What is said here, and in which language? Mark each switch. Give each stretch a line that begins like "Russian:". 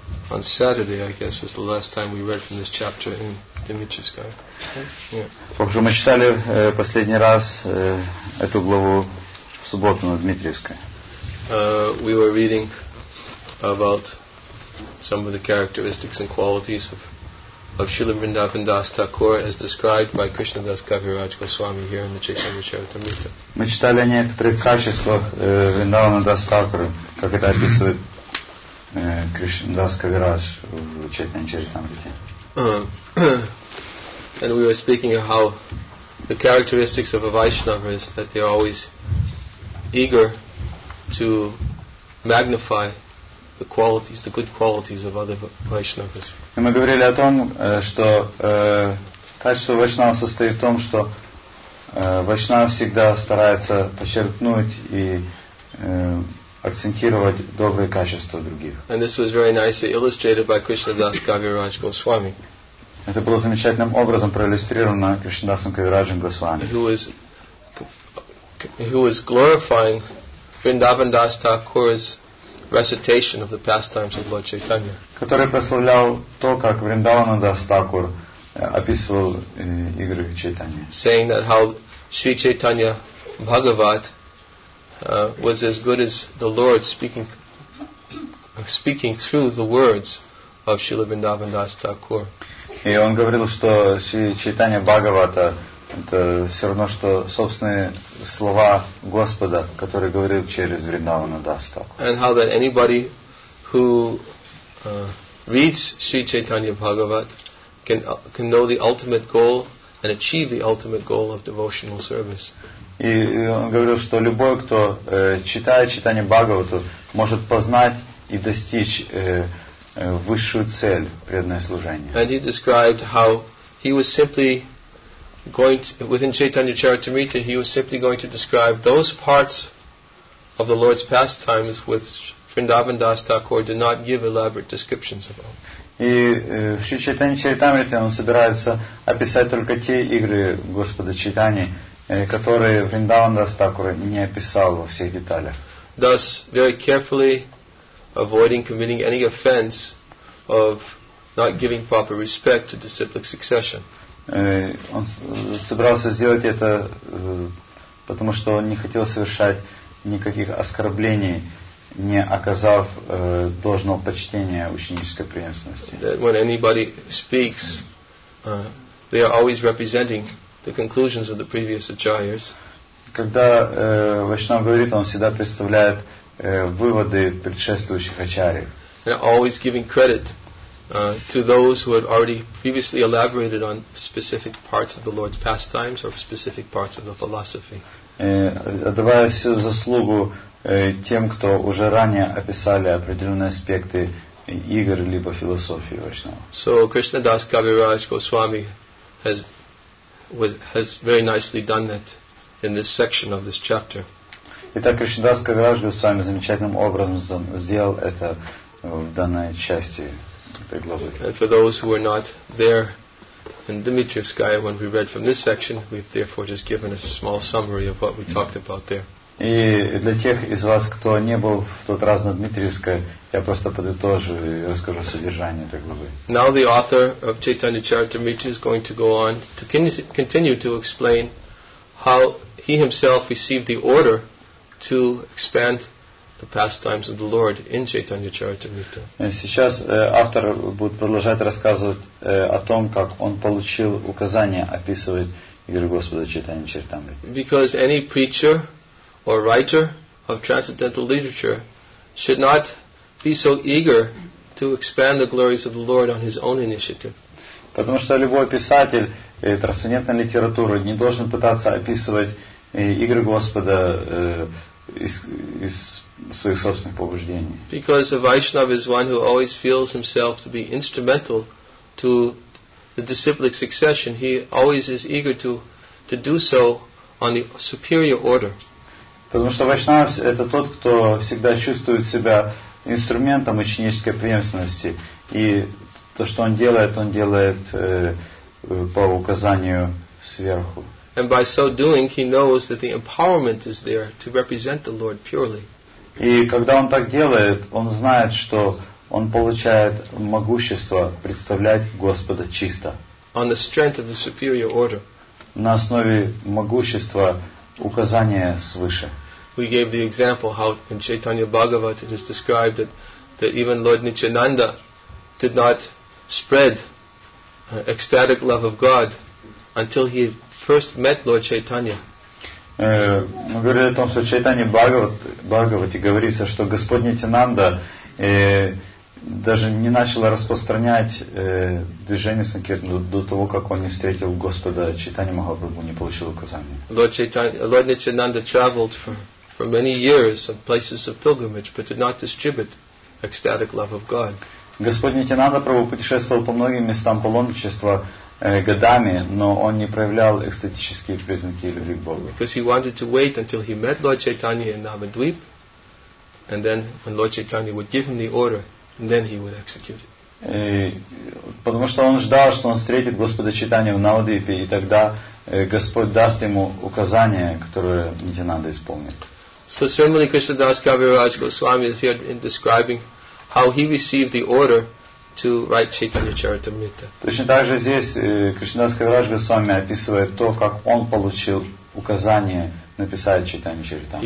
English: On Saturday, I guess, was the last time we read from this chapter in Dimitrovskaya.
Russian: Также мы читали последний раз эту главу в субботу на Дмитриевской.
English: We were reading about some of the characteristics and qualities of Srila Vrindavan Das Thakur as described by Krishna Das Kaviraj Goswami here in the Chaitanya Charitamrita.
Russian: Мы читали о некоторых качествах Вриндавана Дас Такура, как это описывает Кришна Дас Кавирадж в Чайтанья Чаритамрите.
English: And we were speaking of how the characteristics of a Vaishnava is that they are always eager to magnify the qualities, the good qualities of other Vaishnavas.
Russian: И мы говорили о том, что качество Вайшнава состоит в том, что Вайшнав всегда старается подчеркнуть и акцентировать добрые качества других.
English: And this was very nicely illustrated by Krishna Das Kaviraj Goswami.
Russian: Это было замечательным образом проиллюстрировано Кришнадасом Кавираджем Госвами.
English: Who was glorifying Vrindavan Das Thakur's recitation of the pastimes of Lord Chaitanya.
Russian: Который прославлял то, как Вриндавана Дас Такур описывал игры Чайтанья.
English: Saying that how Sri Chaitanya Bhagavat was as good as the Lord speaking through the words of Srila Vrindavan Das Thakur.
Russian: И он говорил, что Sri Chaitanya Bhagavata это все равно, что собственные слова Господа, которые говорил через Вриндавана Дас Такур.
English: And how that anybody who reads Sri Chaitanya Bhagavat can know the ultimate goal and achieve the ultimate goal of devotional service.
Russian: И он говорил, что любой, кто читает Чайтанья Бхагавату, может познать и достичь высшую цель преданное служение.
English: And he described how he was simply going to, within Chaitanya Charitamrita, he was simply going to describe those parts of the Lord's pastimes which Vrindavan Das Thakur did not give elaborate descriptions about.
Russian: И в Чайтанья Чаритамрите он собирается описать только те игры Господа Чайтаньи, которые Вриндаван Дас Такур не описал во всех деталях.
English: Thus, very carefully avoiding committing any offense of not giving proper respect to the disciplic succession.
Russian: Он собирался сделать это, потому что он не хотел совершать никаких оскорблений, не оказав должного почтения ученической преемственности.
English: That when anybody speaks, they are always representing the conclusions of the previous acharyas.
Russian: Когда Вайшнав говорит, он всегда представляет выводы предшествующих ачарьев.
English: They're always giving credit to those who had already previously elaborated on specific parts of the Lord's pastimes or specific parts of the philosophy.
Russian: Отдавая всю заслугу тем, кто уже ранее описали определенные аспекты игр либо философии Вайшнава.
English: So Krishna Das Kaviraj Goswami has very nicely done that in this section of this chapter.
Russian: Итак, Кришнадас Кавирадж Госвами замечательным образом сделал это в данной части этой главы.
English: And for those who were not there in Dmitrievskaya when we read from this section, we've therefore just given a small summary of what we talked about there.
Russian: И для тех из вас, кто не был в тот раз на Дмитриевской, я просто подытожу и расскажу содержание этой главы.
English: Now the author of Chaitanya Charitamrita is going to go on to continue to explain how he himself received the order to expand the pastimes of the Lord in Chaitanya Charitamrita.
Russian: Сейчас автор будет продолжать рассказывать о том, как он получил указание описывать игры Господа Чайтанья Чаритамриты.
English: Because any preacher or writer of transcendental literature should not be so eager to expand the glories of the Lord on his own initiative.
Russian: Потому что любой писатель трансцендентной литературы не должен пытаться описывать игры Господа из своих собственных побуждений.
English: Because a Vaishnava is one who always feels himself to be instrumental to the disciplic succession. He always is eager to do so on the superior order.
Russian: Потому что Вайшнав — это тот, кто всегда чувствует себя инструментом ученической преемственности. И то, что он делает по указанию сверху.
English: And by so doing, he knows that the empowerment is there to represent the Lord purely.
Russian: И когда он так делает, он знает, что он получает могущество представлять Господа чисто.
English: On the strength of the superior order.
Russian: На основе могущества указания свыше.
English: We gave the example how in Chaitanya Bhagavat it is described that even Lord Nityananda did not spread ecstatic love of God until he first met Lord Chaitanya.
Russian: Мы говорили о том, что Чайтанья Бхагавате говорится, что Господь Нитянанда даже не начал распространять движение санкиртаны до того, как он не встретил Господа Чайтанья Махапрабху, не получил указания.
English: Lord Nityananda traveled for many years of places of pilgrimage, but did not distribute ecstatic love of God.
Russian: Господь Нитянанда Прабху путешествовал по многим местам паломничества годами, но он не проявлял экстатические признаки любви к Богу.
English: Because he wanted to wait until he met Lord Chaitanya in Navadvip, and then when Lord Chaitanya would give him the order, and then he would execute it.
Russian: Потому что он ждал, что он встретит Господа Чайтанью в Навадвипе, и тогда Господь даст ему указание, которое Нитянанда исполнит.
English: So similarly, Krishnadas Kaviraj Goswami is here in describing how he received the order to write Chaitanya Charitamrita.
Russian: Точно так же здесь Кришнадас Кавираж Госвами описывает то, как он получил указание написать Чайтанья Чаритамриту.